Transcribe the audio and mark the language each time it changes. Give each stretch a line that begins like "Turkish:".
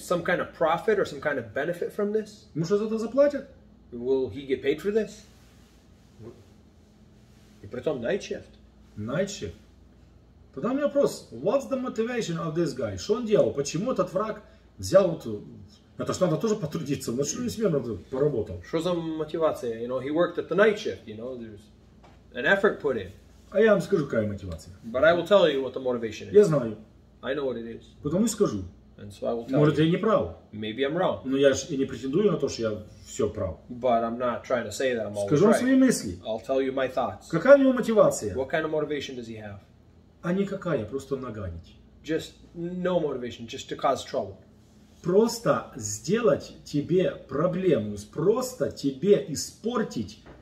English: Some kind of profit or some kind of benefit from this?
Russian: Ну что за это заплатят?
English: Will he get paid for this?
Russian: И притом
English: night shift. Night shift.
Russian: Тогда у меня вопрос:
English: what's the motivation of this guy?
Russian: Что он делал? Почему этот враг взял вот? Это ж надо тоже потрудиться. На что несмерно поработал? Что за мотивация?
English: You know, he worked at the night shift. You know, there's an effort put in.
Russian: А я вам скажу, какая мотивация.
English: But I will tell you what the motivation is.
Russian: Я знаю.
English: I know what it is.
Russian: Потому и скажу.
English: And so I will tell.
Russian: Может,
English: you.
Russian: Я не прав.
English: Maybe I'm wrong.
Russian: Но я ж и не претендую на то, что я все прав.
English: But I'm not trying to say that I'm always
Russian: скажу
English: right.
Russian: Скажу свои мысли.
English: I'll tell you my thoughts.
Russian: Какая у него мотивация?
English: What kind of motivation does he have?
Russian: А никакая, просто наганить.
English: Just no motivation, just to cause trouble.
Russian: Просто сделать тебе проблему, просто тебе испортить.